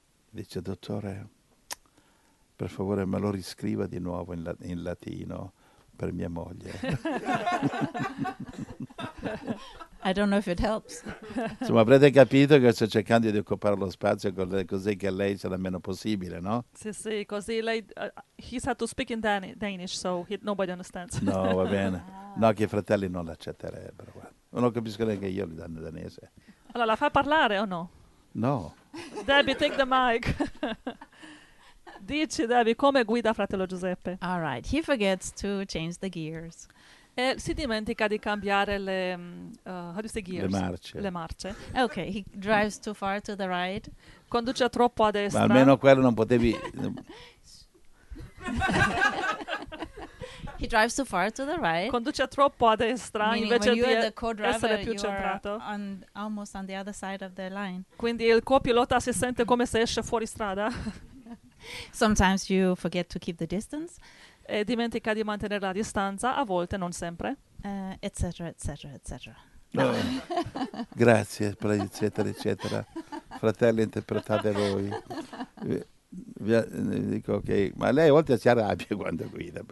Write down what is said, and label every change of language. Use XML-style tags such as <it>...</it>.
<it>Dice, dottore, per favore me lo riscriva di nuovo in latino per mia moglie.</it> <en>I don't know if it helps.</en> <it>Insomma, avrete capito che sto cercando di occupare lo spazio con le cose che a lei c'è la meno possibile, no? Sì, così lei...</it> <en>he's had to speak in Danish, so nobody understands.</en> <it>No, va bene. No, che i fratelli non l'accetterebbero. Guarda. Non capisco neanche io il danese. Allora, la fa parlare o no? No.</it> <en>Debbie, take the mic.</en> <it>Dici, Debbie, come guida fratello Giuseppe?</it> <en>All right, he forgets to change the gears.</en> <it>E si dimentica di cambiare le...</it> <en>how do you say gears?</en> <it>Le marce. Le marce.</it> <en>Ok, he drives too far to the right.</en> <it>Conduce troppo a destra. Ma almeno quello non potevi...</it> <en>He drives too far to the right.</en> <it>Conduce troppo a destra,</it> <en>meaning</en> <it>invece</it> <en>when you're</en> <it>di</it> <en>the co-driver,</en> <it>essere più centrato.</it> <en>On, almost on the other side of the line.</en> <it>Quindi il copilota si sente come se esce fuori strada.</it> <en>Sometimes you forget to keep the distance.</en> <it>E dimentica di mantenere la distanza, a volte, non sempre. Eccetera. No. Grazie, eccetera, eccetera. Fratelli, interpretate voi. Dico ok, ma lei a volte si arrabbia quando guida.</it>